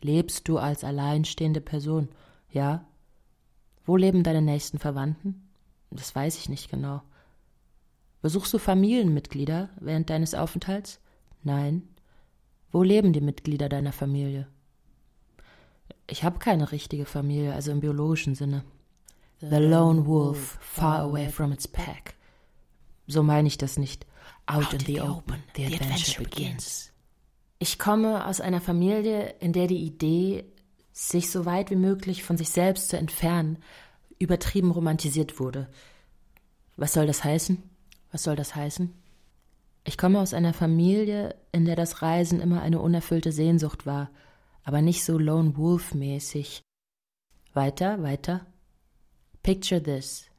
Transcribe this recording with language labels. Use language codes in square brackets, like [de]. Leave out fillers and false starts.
[de] Lebst du als alleinstehende Person? Ja. Wo leben deine nächsten Verwandten? Das weiß ich nicht genau. Besuchst du Familienmitglieder während deines Aufenthalts? Nein. Wo leben die Mitglieder deiner Familie? Ich habe keine richtige Familie, also im biologischen Sinne. [en] The lone wolf, far away from its pack. [de] So meine ich das nicht. [en] Out in the open, the adventure begins. [de] Ich komme aus einer Familie, in der die Idee, sich so weit wie möglich von sich selbst zu entfernen, übertrieben romantisiert wurde. Was soll das heißen? Was soll das heißen? Ich komme aus einer Familie, in der das Reisen immer eine unerfüllte Sehnsucht war, aber nicht so Lone Wolf-mäßig. Weiter, weiter. [en] Picture this.